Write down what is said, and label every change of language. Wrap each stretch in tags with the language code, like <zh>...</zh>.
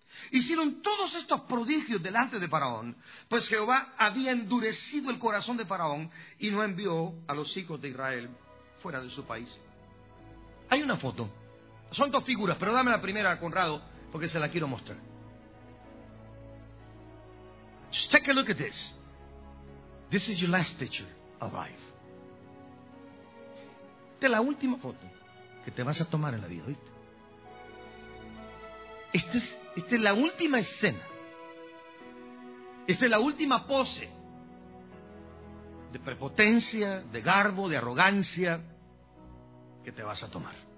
<es>Hicieron todos estos prodigios delante de Faraón, pues Jehová había endurecido el corazón de Faraón y no envió a los hijos de Israel fuera de su país. Hay una foto, son dos figuras, pero dame la primera, Conrado, porque se la quiero mostrar.</es> <en>Just take a look at this. This is your last picture alive.</en> <es>Esta es la última foto que te vas a tomar en la vida, ¿viste? Esta es la última escena. Esta es la última pose de prepotencia, de garbo, de arrogancia que te vas a tomar.</es>